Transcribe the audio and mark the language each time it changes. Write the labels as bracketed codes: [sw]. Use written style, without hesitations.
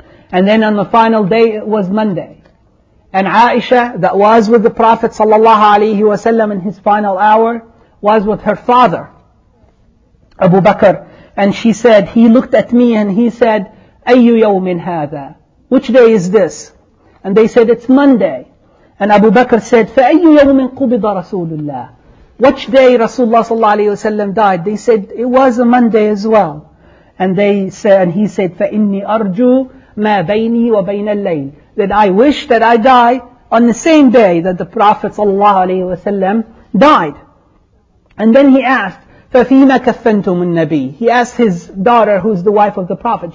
[en] And then on the final day, it was Monday. And Aisha, that was with the Prophet sallallahu alayhi wa sallam in his final hour, was with her father, Abu Bakr. And she said, he looked at me and he said, [ar] أَيُّ يَوْمٍ هَذَا. [en] Which day is this? And they said, it's Monday. And Abu Bakr said, [ar] فَأَيُّ يَوْمٍ قُبِضَ رَسُولُ اللَّهِ. [en] Which day Rasulullah sallallahu alayhi wa sallam died? They said, it was a Monday as well. And they said, and he said, [ar] فَإِنِّي أَرْجُو مَا بَيْنِي وَبَيْنَ اللَّيْلِ. [en] That I wish that I die on the same day that the Prophet sallallahu alayhi wa sallam died. And then he asked, [ar] فَفِيمَ كَفَّنْتُمُ النَّبِي. [en] He asked his daughter, who's the wife of the Prophet.